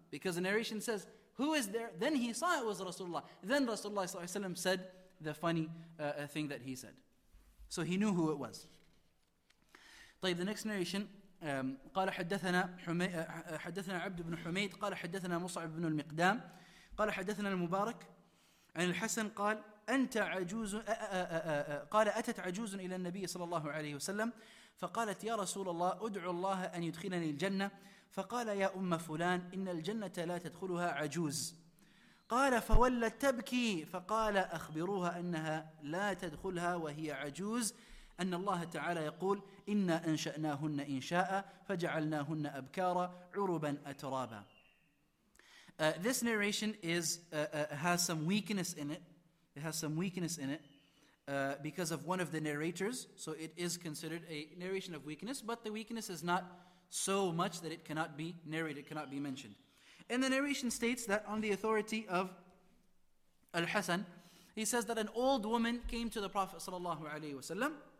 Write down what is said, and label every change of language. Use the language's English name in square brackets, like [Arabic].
[English] Because the narration says, who is there? Then he saw it was Rasulullah. Then Rasulullah ﷺ said the funny thing that he said. So he knew who it was. طيب, the next narration. [Arabic] قال حدثنا حدثنا عبد بن حميد قال حدثنا مصعب بن المقدام قال حدثنا المبارك عن الحسن قال أنت عجوز قال أتت عجوز إلى النبي صلى الله عليه وسلم فقالت يا رسول الله أدعو الله أن يدخلني الجنة فقال يا أم فلان إن الجنة لا تدخلها عجوز قال فولت تبكي فقال أخبروها أنها لا تدخلها وهي عجوز أن الله تعالى يقول إنا أنشأناهن إن شاء فجعلناهن أبكارا عربا أترابا. [English] This narration is has some weakness in it. It has some weakness in it because of one of the narrators. So it is considered a narration of weakness, but the weakness is not so much that it cannot be narrated, cannot be mentioned. And the narration states that on the authority of Al-Hasan, he says that an old woman came to the Prophet sallallahu alaihi wasallam.